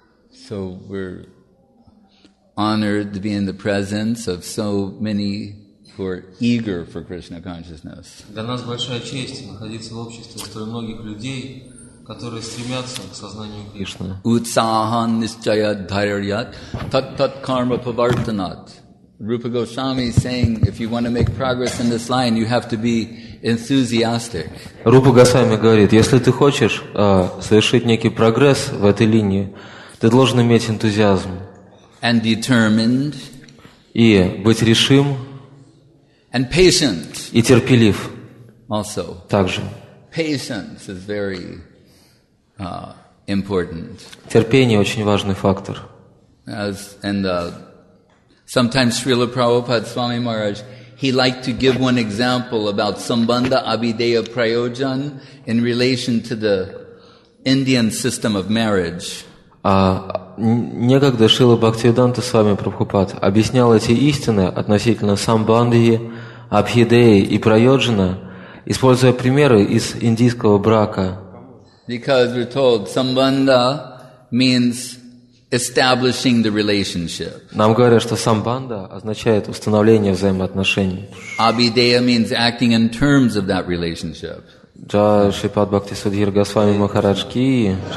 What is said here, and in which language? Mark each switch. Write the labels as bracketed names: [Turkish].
[English] So we're honored to be in the presence of so many who are eager for Krishna consciousness. [Russian] Для нас большая честь находиться в обществе столь многих людей, которые стремятся к сознанию Кришны. [Sanskrit] Utsahan nischaya dhairyat tat tat karma pavartanat. [English] Rupa Goswami is saying, if you want to make progress in this line, you have to be enthusiastic. [Russian] Rupa Goswami говорит, если ты хочешь совершить некий прогресс в этой линии, ты должен иметь энтузиазм [English] and determined, [Russian] и быть решим [English] and patient, [Russian] и терпелив [English] also. [Russian] Также. [English] Patience is very, important. [Russian] Терпение – очень важный фактор. [English] As, and, sometimes Srila Prabhupada Swami Maharaj, he liked to give one example about Sambandha Abhideya Prayojan in relation to the Indian system of marriage. [Russian] Некогда Шрила Бхактивиданта с вами Прабхупад объяснял эти истины относительно самбандхи, абхидеи и прайоджана, используя примеры из индийского брака. [English] Because we're told samband means establishing the relationship. [Russian] Нам говорят, что самбанда означает установление взаимоотношений. [English] Абхидея means acting in terms of that relationship. [Hindi] Джай Шрипад Бхакти Судхир Госвами Махарадж ки.